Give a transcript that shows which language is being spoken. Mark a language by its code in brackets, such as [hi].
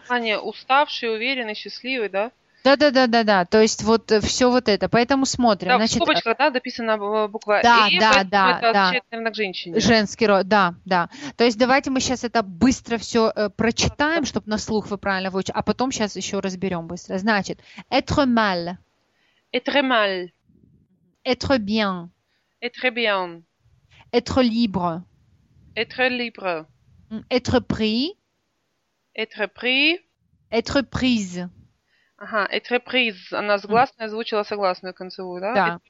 [ru] Это Аня, уставший, уверенный, счастливый, да? Да-да-да-да-да. То есть вот все вот это. Поэтому смотрим. Да, значит, в скобочках, да, написана буква «э», да, это означает к женщине. Женский род, да, да. То есть давайте мы сейчас это быстро все прочитаем, да, чтобы на слух вы правильно выучили, а потом сейчас еще разберем быстро. Значит, [fr] «être mal». Être mal. Être bien. Être bien. Être libre. Être libre. Être pris. Être pris. Être prise. Ага, être prise. [ru] Она с гласной озвучила согласную концевую, да?